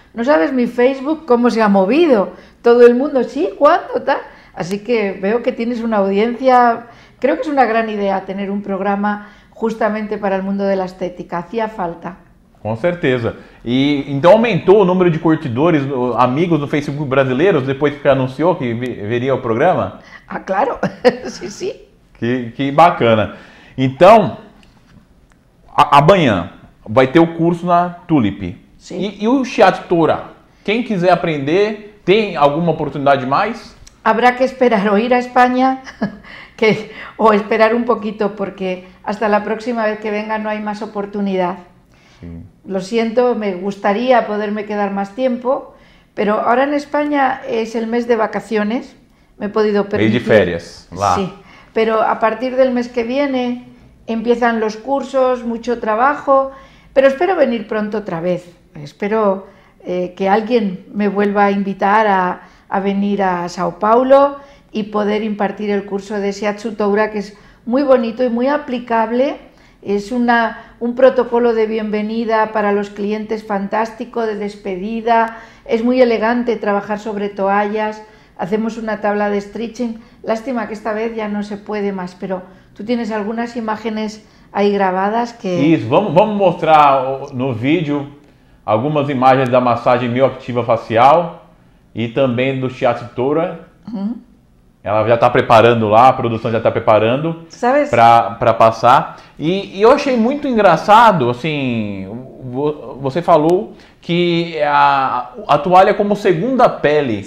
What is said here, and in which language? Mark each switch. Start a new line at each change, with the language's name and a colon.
Spanish: ¿No sabes mi Facebook cómo se ha movido? Todo el mundo, sí, ¿cuándo? Tal. Así que veo que tienes una audiencia. Creo que es una gran idea tener un programa justamente para el mundo de la estética. Hacía falta.
Portuguese: Com certeza. E então aumentou o número de curtidores, amigos no Facebook brasileiros, depois que anunciou que viria o programa? Ah, claro. Sim, sim. Que bacana. Então, amanhã vai ter o curso na Tulip. Sim. E o Shiatsu Tora? Quem quiser aprender, tem alguma oportunidade mais?
Spanish: Habrá que esperar ou ir a Espanha, que, ou esperar um poquito, porque hasta la próxima vez que venga
Portuguese: não há mais oportunidade.
Spanish: Sí. Lo siento, me gustaría poderme quedar más tiempo, pero ahora en España es el mes de vacaciones, me he podido permitir.
Portuguese: Mes de ferias, la.
Spanish: Sí, pero a partir del mes que viene empiezan los cursos, mucho trabajo, pero espero venir pronto otra vez. Espero que alguien me vuelva a invitar a venir a Sao Paulo y poder impartir el curso de Shiatsu Toura, que es muy bonito y muy aplicable. Es un protocolo de bienvenida para los clientes fantástico, de despedida. Es muy elegante trabajar sobre toallas. Hacemos una tabla de stretching. Lástima que esta vez ya no se puede más, pero tú tienes algunas imágenes ahí grabadas que...
Portuguese: Isso, vamos mostrar no vídeo algumas imagens da massagem mioactiva facial e também do Shiatsu Toura. Ela já está preparando lá, a produção já está preparando para passar. E eu achei muito engraçado, assim, você falou que a toalha é como segunda pele.